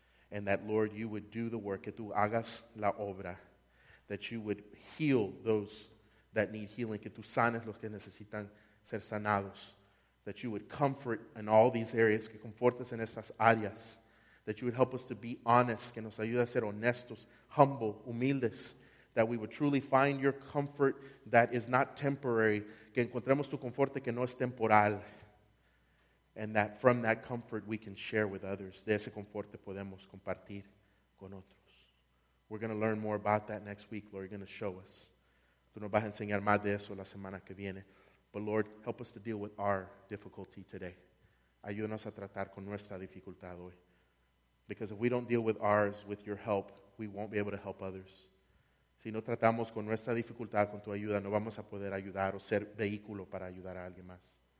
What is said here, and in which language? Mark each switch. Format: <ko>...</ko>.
<en>And that, Lord, you would do the work,</en> <es>que tú hagas la obra,</es> <en>that you would heal those that need healing,</en> <es>que tú sanes los que necesitan ser sanados,</es> <en>that you would comfort in all these areas,</en> <es>que confortes en estas áreas,</es> <en>that you would help us to be honest,</en> <es>que nos ayude a ser honestos,</es> <en>humble,</en> <es>humildes,</es> <en>that we would truly find your comfort that is not temporary,</en> <es>que encontremos tu conforto que no es temporal,</es> <en>and that from that comfort we can share with others.</en> <es>De ese conforto podemos compartir con otros.</es> <en>We're going to learn more about that next week, Lord. You're going to show us.</en> <es>Tú nos vas a enseñar más de eso la semana que viene.</es> <en>But Lord, help us to deal with our difficulty today.</en> <es>Ayúdanos a tratar con nuestra dificultad hoy.</es> <en>Because if we don't deal with ours with your help, we won't be able to help others.</en> <es>Si no tratamos con nuestra dificultad, con tu ayuda, no vamos a poder ayudar o ser vehículo para ayudar a alguien más.</es>